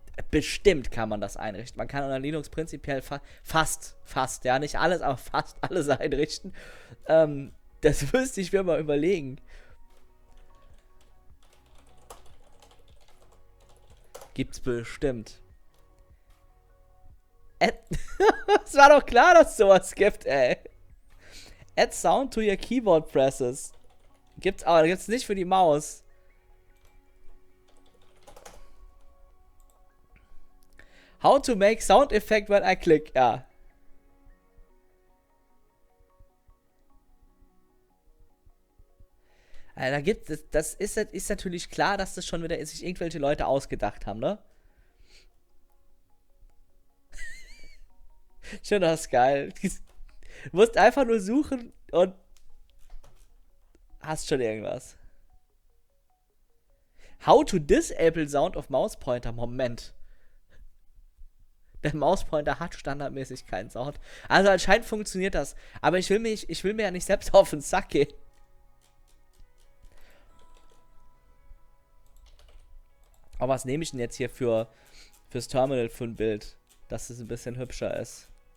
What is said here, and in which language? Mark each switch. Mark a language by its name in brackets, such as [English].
[German] Bestimmt kann man das einrichten. Man kann unter Linux prinzipiell fast, ja, nicht alles, aber fast alles einrichten. Das müsste ich mir mal überlegen. Gibt's bestimmt. Es war doch klar, dass es sowas gibt, ey. [English] Add sound to your keyboard presses. [German] Gibt's aber, gibt's nicht für die Maus. [English] How to make sound effect when I click, ja. [German] Also, da gibt es, das ist natürlich klar, dass das schon wieder sich irgendwelche Leute ausgedacht haben, ne? Schön, das ist geil. Du musst einfach nur suchen und hast schon irgendwas. [English] How to disable sound of mouse pointer? [German] Moment. Der Mauspointer hat standardmäßig keinen Sound. Also anscheinend funktioniert das. Aber ich will mir ja nicht selbst auf den Sack gehen. Aber was nehme ich denn jetzt hier fürs Terminal für ein Bild, dass es ein bisschen hübscher ist?